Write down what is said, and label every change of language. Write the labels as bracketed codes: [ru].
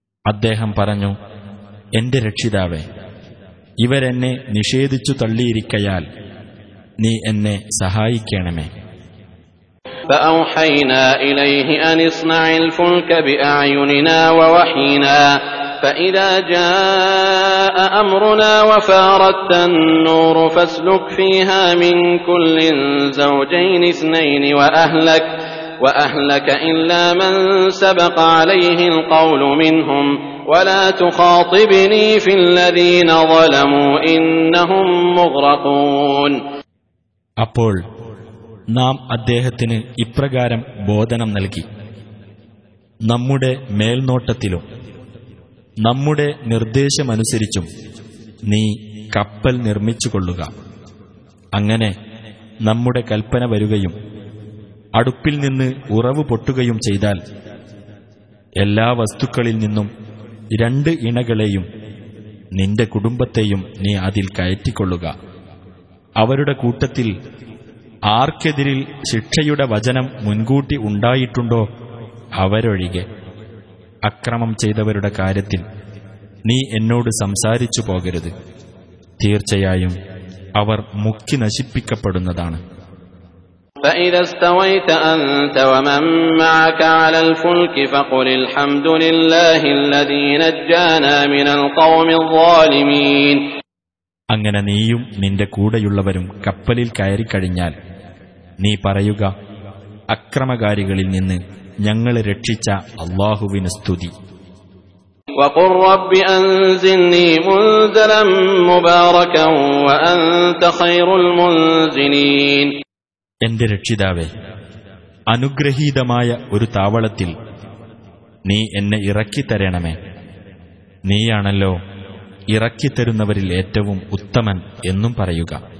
[ml] അദ്ദേഹം പറഞ്ഞു, എന്റെ രക്ഷിതാവേ, ഇവരെന്നെ നിഷേധിച്ചു തള്ളിയിരിക്കയാൽ നീ എന്നെ സഹായിക്കണമേ. [ar] فإذا جاء أمرنا وفارت النور فاسلك فيها من كل زوجين اثنين وأهلك إلا من سبق عليه القول منهم ولا تخاطبني في الذين ظلموا إنهم مغرقون. [ml] അപ്പോൾ നാം അദ്ദേഹത്തിന് ഇപ്രകാരം ബോധനം നൽകി, നമ്മുടെ മേൽനോട്ടത്തിലും നമ്മുടെ നിർദ്ദേശമനുസരിച്ചും നീ കപ്പൽ നിർമ്മിച്ചുകൊള്ളുക. അങ്ങനെ നമ്മുടെ കൽപ്പന വരികയും അടുപ്പിൽ നിന്ന് ഉറവ് പൊട്ടുകയും ചെയ്താൽ എല്ലാ വസ്തുക്കളിൽ നിന്നും രണ്ട് ഇണകളെയും നിന്റെ കുടുംബത്തെയും നീ അതിൽ കയറ്റിക്കൊള്ളുക. അവരുടെ കൂട്ടത്തിൽ ആർക്കെതിരിൽ ശിക്ഷയുടെ വചനം മുൻകൂട്ടി ഉണ്ടായിട്ടുണ്ടോ അവരൊഴികെ? അക്രമം ചെയ്തവരുടെ കാര്യത്തിൽ നീ എന്നോട് സംസാരിച്ചു പോകരുത്. തീർച്ചയായും അവർ മുക്കി നശിപ്പിക്കപ്പെടുന്നതാണ്. [ar] فإذا استويت أنت ومن معك على الفلك فقل الحمد لله الذي نجانا من القوم الظالمين. [ml] അങ്ങനെ നീയും നിന്റെ കൂടെയുള്ളവരും കപ്പലിൽ കയറി കഴിഞ്ഞാൽ നീ പറയുക, അക്രമകാരികളിൽ നിന്ന് ഞങ്ങളെ രക്ഷിച്ച അല്ലാഹുവിന് സ്തുതി. [ar] وقل رب أنزلني منزلا مباركا وأنت خير المنزلين. [ml] എന്റെ രക്ഷിതാവെ, അനുഗ്രഹീതമായ ഒരു താവളത്തിൽ നീ എന്നെ ഇറക്കിത്തരണമേ. നീയാണല്ലോ ഇറക്കിത്തരുന്നവരിൽ ഏറ്റവും ഉത്തമൻ എന്നും പറയുക.